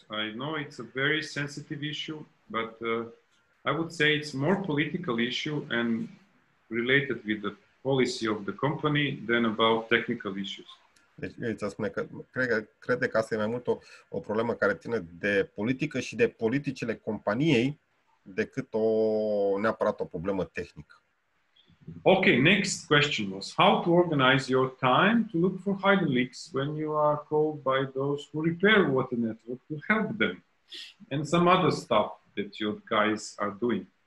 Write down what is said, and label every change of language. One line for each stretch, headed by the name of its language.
English: I know it's a very sensitive issue, but I would say it's more political issue and related with the policy of the company than about technical issues.
Romanian: Deci, ți-a spune că crede că asta e mai mult o problemă care ține de politică și de politicile companiei decât o neapărat o problemă tehnică.
English: Okay, next question was how to organize your time to look for hidden leaks when you are called by those who repair water network to help them and some other stuff that your guys are doing.